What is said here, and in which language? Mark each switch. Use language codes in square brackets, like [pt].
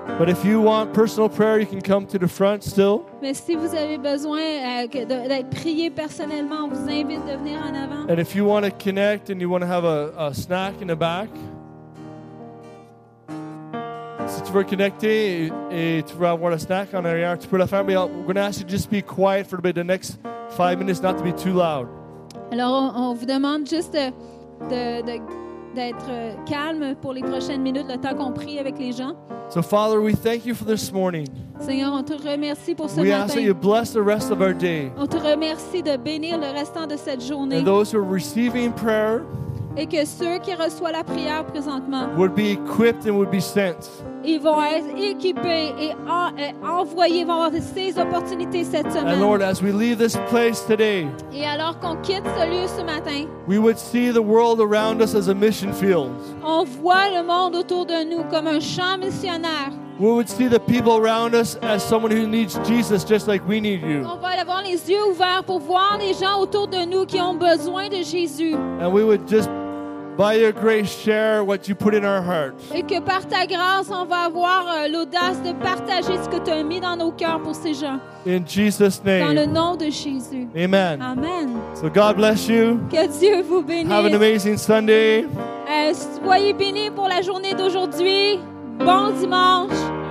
[en] But if you want personal prayer, you can come to the front still. [fr] Mais si vous avez besoin d'être prié personnellement, on vous invite de venir en avant. [en] And if you want to connect and you want to have a snack in the back. [fr] Si tu veux connecter et tu veux avoir un snack en arrière, tu peux le faire, mais on va te demander de juste [en] be quiet for the next 5 minutes, not to be too loud. [fr] Alors, on vous demande juste d'être calme pour les prochaines minutes, le temps qu'on prie avec les gens. [en] So, Father, we thank you for this morning. [fr] Seigneur, on te remercie pour ce [en] we [fr] matin. [en] We ask that you bless the rest of our day. [fr] On te remercie de bénir le restant de cette journée. [en] And those who are receiving prayer [fr] et que ceux qui reçoivent la prière présentement [en] would be equipped and would be sent. [fr] Ils vont être équipés et envoyés, vont avoir ces opportunités cette semaine. [en] And Lord, as we leave this place today, [fr] et alors qu'on quitte ce lieu ce matin, [en] we would see the world around us as a mission field. [fr] On voit le monde autour de nous comme un champ missionnaire. [en] We would see the people around us as someone who needs Jesus just like we need you. [fr] On va avoir les yeux ouverts pour voir les gens autour de nous qui ont besoin de Jésus. [en] And we would just by your grace share what you put in our hearts. [fr] Et que par ta grâce on va avoir l'audace de partager ce que tu as mis dans nos cœurs pour ces gens. [en] In Jesus name. [fr] Dans le nom de Jésus. [en] Amen. [fr] Amen. [en] So God bless you. [fr] Que Dieu vous bénisse. [en] Have an amazing Sunday. [fr] Soyez bénis pour la journée d'aujourd'hui. Bon dimanche.